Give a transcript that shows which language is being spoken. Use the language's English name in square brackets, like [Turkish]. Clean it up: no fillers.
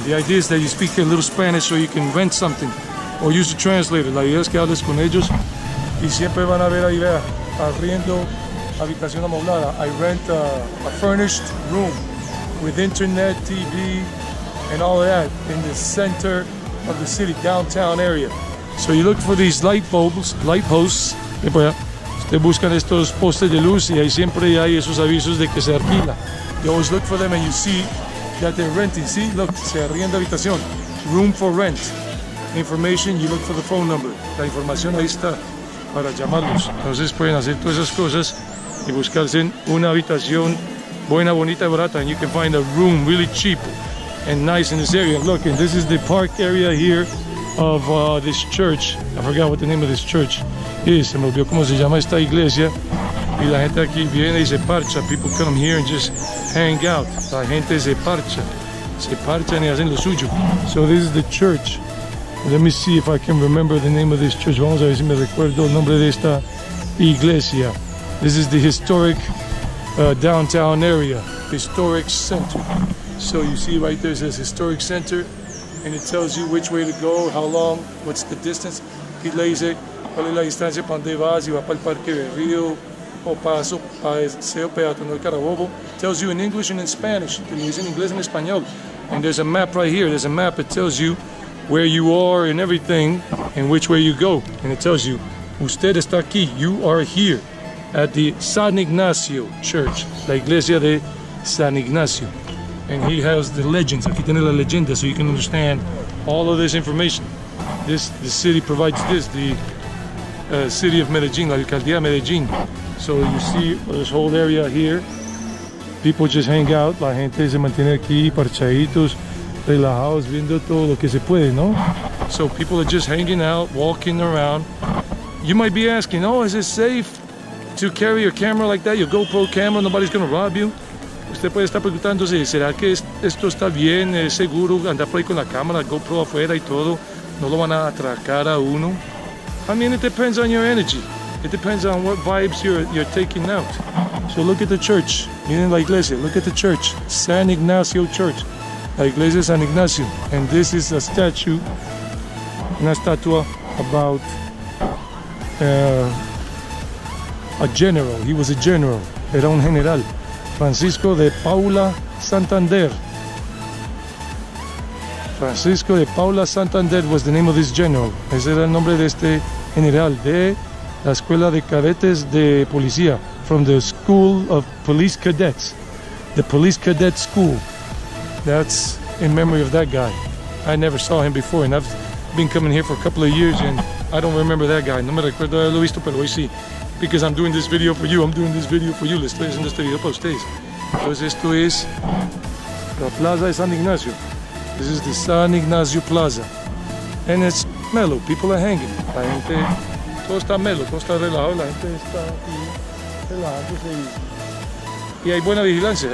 [English] The idea is that you speak a little Spanish so you can rent something, or use a translator. [Spanish] La idea es que hables con ellos, y siempre van a ver ahí, vea, arriendo habitación amoblada. [English] I rent a furnished room with internet, TV, and all of that in the center of the city, downtown area. So you look for these light bulbs, light posts. [Spanish] Te buscan estos postes de luz y ahí siempre hay esos avisos de que se alquila. [English] You always look for them and you see that they're renting. See, look, [Spanish] se arrienda habitación. [English] Room for rent. Information, you look for the phone number. [Spanish] La información ahí está para llamarlos. Entonces pueden hacer todas esas cosas y buscarse una habitación buena, bonita y barata. [English] And you can find a room really cheap and nice in this area. Look, and this is the park area here of this church. I forgot what the name of this church is. [Spanish] Se me olvidó cómo se llama esta iglesia. Y la gente aquí viene y se parcha. [English] People come here and just hang out. [Spanish] La gente se parcha. Se parchan y hacen lo suyo. [English] So this is the church. Let me see if I can remember the name of this church. [Spanish] Vamos a ver si me recuerdo el nombre de esta iglesia. [English] This is the historic downtown area. Historic center. So you see right there, this historic center, and it tells you which way to go, how long, what's the distance. [Spanish] Y le dice cuál es la distancia, para dónde vas, si va para el parque del río, o paso, paseo peatonal Carabobo. [English] Tells you in English and in Spanish. It's in English and Español. And there's a map right here. There's a map that tells you where you are and everything, and which way you go. And it tells you, [Spanish] usted está aquí, [English] you are here, at the San Ignacio Church, [Spanish] la iglesia de San Ignacio. [English] And he has the legends. [Spanish] Aquí tiene la leyenda, [English] so you can understand all of this information. The city provides this, the city of Medellín, [Spanish] la alcaldía de Medellín. [English] So you see this whole area here. People just hang out. [Spanish] La gente se mantiene aquí, parchaditos, relajados, viendo todo lo que se puede, ¿no? [English] So people are just hanging out, walking around. You might be asking, oh, is it safe to carry your camera like that, your GoPro camera? Nobody's going to rob you. [Spanish] Usted puede estar preguntándose, ¿será que esto está bien, es seguro andar por ahí con la cámara, GoPro afuera y todo? ¿No lo van a atracar a uno? [English] I mean, it depends on your energy. It depends on what vibes you're taking out. So look at the church. [Spanish] Miren la iglesia, [English] look at the church. San Ignacio Church. [Spanish] La iglesia de San Ignacio. [English] And this is a statue, [Spanish] una estatua [English] about a general. He was a general. [Spanish] Era un general. [English] Francisco de Paula Santander. Francisco de Paula Santander was the name of this general. [Spanish] Ese era el nombre de este general de la Escuela de Cadetes de Policía. [English] From the School of Police Cadets. The Police Cadet School. That's in memory of that guy. I never saw him before, and I've been coming here for a couple of years and I don't remember that guy. [Spanish] No me recuerdo haberlo visto, pero hoy sí. [English] Because I'm doing this video for you, I'm doing this video for you. [Spanish] Les estoy haciendo este video para ustedes. Entonces esto es la Plaza de San Ignacio. [English] This is the San Ignacio Plaza. And it's mellow, people are hanging. [Spanish] La gente, todo está mellow, todo está relajado. La gente está aquí relajándose. Y hay buena vigilancia.